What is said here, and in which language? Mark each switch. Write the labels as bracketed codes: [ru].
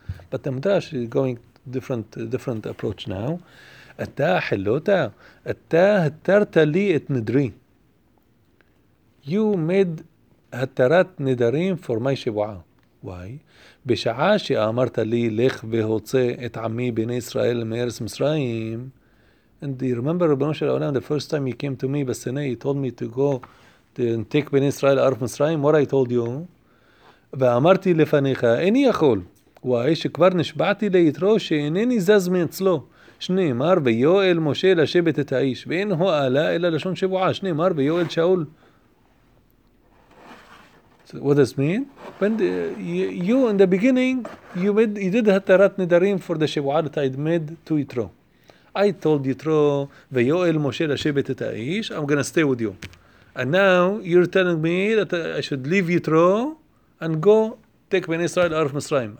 [en] But the Midrash is going different approach now. [he] Ataha Hilota? Ataha Tartali et Nidri. [en] You made התרת נדרים for my שבועה. Why? [he] בשעה שאמרת לי, לך והוצא את עמי בני ישראל מארץ מצרים, [en] and you remember, רבנו של העולם, the first time you came to me, בסנה, you told me to go and take [he] בני ישראל לארץ מצרים, [en] what I told you, [he] ואמרתי לפניך, איני יכול, [en] why? [he] שכבר נשבעתי ליתרו, שאינני זז מאצלו, שנאמר, ויואל משה לשבת את האיש, ואין הועלה אלא לשון שבועה, שנאמר, ויואל שאול, [en] so what does it mean? When you in the beginning you did Hatarat Nidarim for the Shevuah that I'd made to Yitro. I told Yitro, [he] Veyoel Moshe Lashebet Et Ha'ish, [en] I'm gonna stay with you. And now you're telling me that I should leave Yitro and go take Ben Israel Arif Misraim.